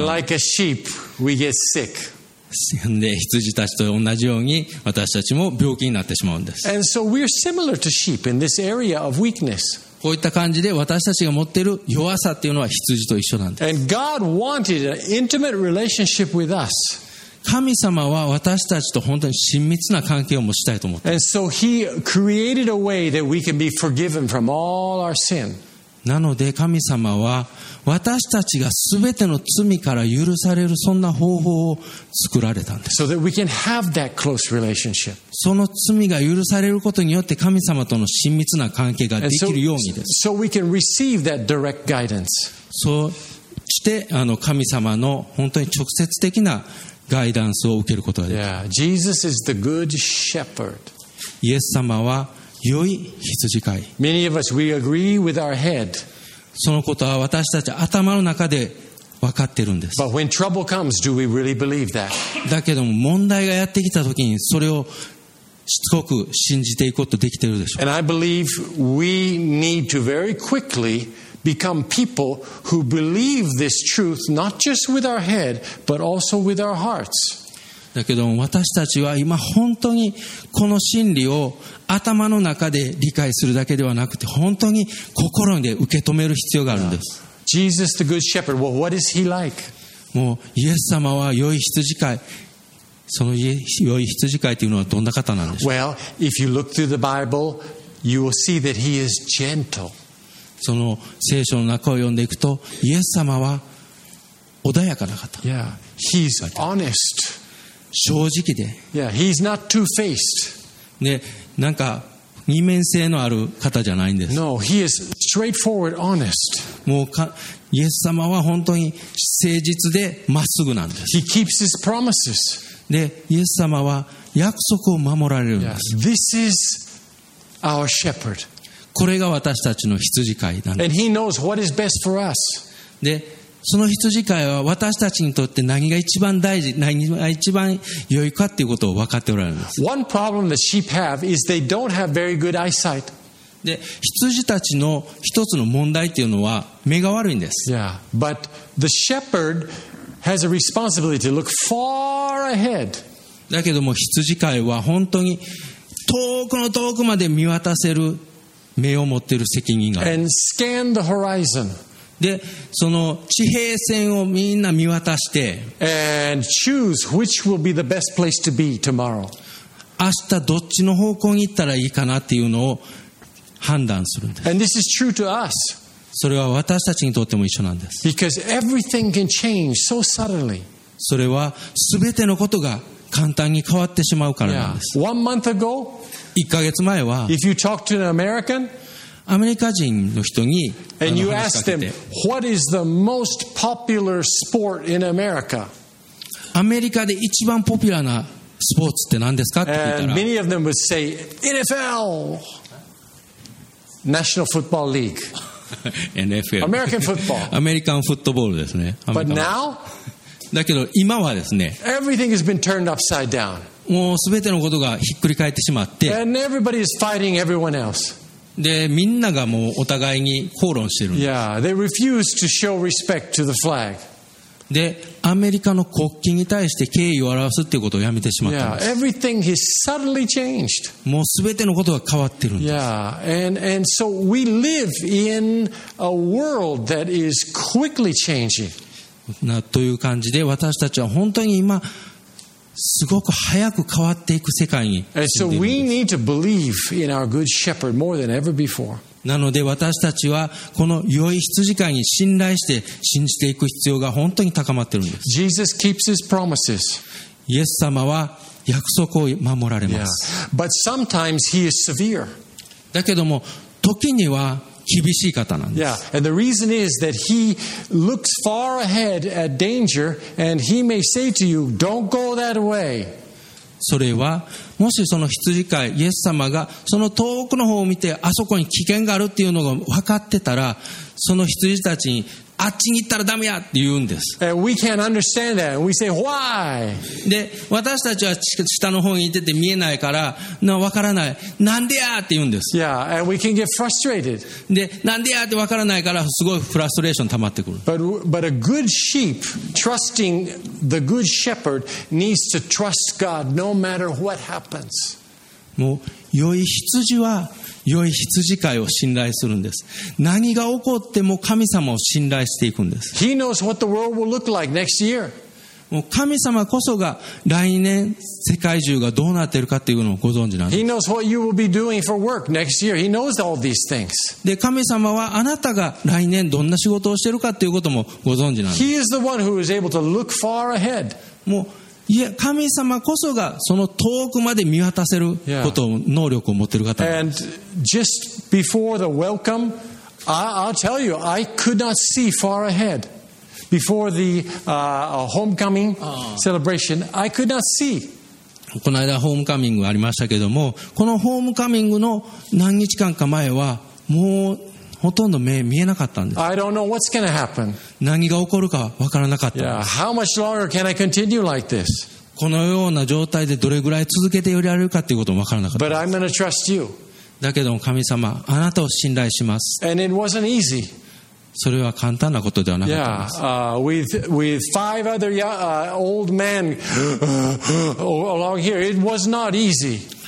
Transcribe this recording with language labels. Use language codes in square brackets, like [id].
[en] And like a sheep, we get sick. [ja] で羊たちと同じように私たちも病気になってしまうんです。 [en] And so we're similar to sheep in this area of weakness. [ja] こういった感じで私たちが持っている弱さというのは羊と一緒なんです。 [en] And God wanted an intimate relationship with us. [ja] 神様は私たちと本当に親密な関係を持ちたいと思って。 [en] And so he created a way that we can be forgiven from all our sin. [ja] なので神様は私たちが全ての罪から許されるそんな方法を作られたんです。 [en] So that we can have that close relationship. [ja] その罪が許されることによって神様との親密な関係ができるようにです。 [en] So we can receive that direct guidance. [ja] そして神様の本当に直接的なガイダンスを受けることができる。 [en] Yeah, Jesus is the good shepherd. [ja] イエス様は良い羊飼い。 [en] Many of us, we agree with our head. [ja] そのことは私たち頭の中で分かってるんです。 [en] But when trouble comes, do we really believe that? [ja] だけども問題がやってきた時にそれをしつこく信じていくことできてるでしょう。 [en] And I believe we need to very quickly become people who believe this truth not just with our head, but also with our hearts. [ja] だけども私たちは今本当にこの真理を頭の中で理解するだけではなくて本当に心で受け止める必要があるんです。 [en] Jesus the good shepherd. Well, what is he like? [ja] もうイエス様は良い羊飼い。その良い羊飼いというのはどんな方なんでしょう。 [en] Well, if you look through the Bible, you will see that he is gentle. [ja] その聖書の中を読んでいくとイエス様は穏やかな方。 [en] Yeah, he's honest. [ja] 正直で。 [en] Yeah, he's not two-faced. ね。 [ja] なんか二面性のある方じゃないんです。 [en] No, he is straightforward, honest. [ja] もうイエス様は本当に誠実でまっすぐなんです。 [en] He keeps his promises. [ja] でイエス様は約束を守られるんです。 [en] Yes, this is our shepherd. [ja] これが私たちの羊飼いなんです。 [en] And he knows what is best for us. [ja] でその羊飼いは私たちにとって何が一番大事、何が一番良いかということを分かっておられるんです。 [en] One problem that sheep have is they don't have very good eyesight. [ja] で、羊たちの一つの問題というのは目が悪いんです。 [en] Yeah, but the shepherd has a responsibility to look far ahead. [ja] だけども羊飼いは本当に遠くの遠くまで見渡せる目を持っている責任がある。 [en] And scan the horizon. [ja] でその地平線をみんな見渡して [en] And choose which will be the best place to be tomorrow. [ja] 明日どっちの方向に行ったらいいかなっていうのを判断するんです。 [en] And this is true to us. [ja] それは私たちにとっても一緒なんです。 [en] Because everything can change so suddenly. [ja] それは全てのことが簡単に変わってしまうからなんです。 [en] Yeah. 1 month ago, [ja] 1ヶ月前は、 [en] if you talk to an American, [ja] アメリカ人の人に、 [en] and you ask them, what is the most popular sport in America? [ja] アメリカで一番ポピュラーなスポーツって何ですかって聞いたら、 [en] and many of them would say, NFL! National Football League. NFL. American football. [ja] American football ですね。 [en] But now? [ja] だけど今はですね。 [en] Everything has been turned upside down. [ja] もう全てのことがひっくり返ってしまって。 [en] And everybody is fighting everyone else. [ja] で、みんながもうお互いに口論してるんです。 [en] Yeah, they refuse to show respect to the flag. [ja] で、アメリカの国旗に対して敬意を表すっていうことをやめてしまったんです。 [en] Yeah, everything has suddenly changed. [ja] もう全てのことが変わってるんです。 [en] Yeah, and so we live in a world that is quickly changing. [ja] なという感じで私たちは本当に今すごく早く変わっていく世界に住んでいるんです。 [en] And so we need to believe in our good shepherd more than ever before. [ja] なので私たちはこの良い羊飼いに信頼して信じていく必要が本当に高まっているんです。 [en] Jesus keeps his promises. [ja] イエス様は約束を守られます。 [en] Yeah. But sometimes he is severe. [ja] だけども時には厳しい方なんです。 [en] Yeah. And the reason is that he looks far ahead at danger and he may say to you, don't go that way. [ja] それはもしその羊飼いイエス様がその遠くの方を見てあそこに危険があるっていうのが分かってたらその羊たちにあっちに行ったらダメやって言うんです。 [en] And we can't understand that. We say, why? [ja] で私たちは下の方にいてて見えないからな分からないなんでやって言うんです。 [en] Yeah, and we can get frustrated. [ja] でなんでやって分からないからすごいフラストレーション溜まってくる。 [en] But a good sheep trusting the good shepherd needs to trust God no matter what happens. [ja] もう良い羊は良い羊飼いを信頼するんです。何が起こっても神様を信頼していくんです。 [en] He knows what the world will look like next year. [ja] もう神様こそが来年世界中がどうなっているかというのをご存知なんです。 [en] He knows what you will be doing for work next year. He knows all these things. [ja] で、神様はあなたが来年どんな仕事をしているかということもご存知なんです。 [en] He is the one who is able to look far ahead. [ja] もういや、神様こそがその遠くまで見渡せることを、yeah. 能力を持っている方です。 [en] And just before the welcome, I'll tell you, I could not see far ahead. Before the homecoming celebration, I could not see. [ja] この間ホームカミングありましたけども、このホームカミングの何日間か前はもうほとんど目見えなかったんです。 [en] I don't know what's gonna happen. [ja] 何が起こるか分からなかった。 [en] Yeah. How much longer can I continue like this? [ja] このような状態でどれぐらい続けていられるかということも分からなかった。 [en] But I'm gonna trust you. [ja] だけども神様、あなたを信頼します。 [en] And it wasn't easy. [ja] それは簡単なことではなかったんです。 [en] Yeah. With five other old men along here, it was not easy.